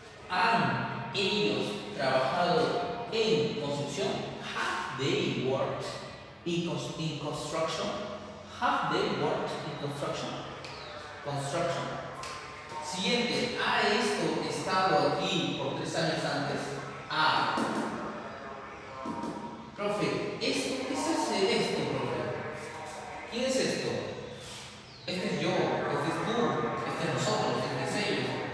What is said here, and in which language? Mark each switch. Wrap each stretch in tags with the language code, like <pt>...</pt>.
<es>Han ellos trabajado en construcción.</es> <en>Have they worked in construction? Have they worked in construction? Construction. Siguiente.</en> <es>Ha esto estado aquí por 3 años antes. A. Profe, ¿esto qué se hace esto, profe? ¿Quién es esto? Este es yo, este es tú, este es nosotros, este es ellos.</es>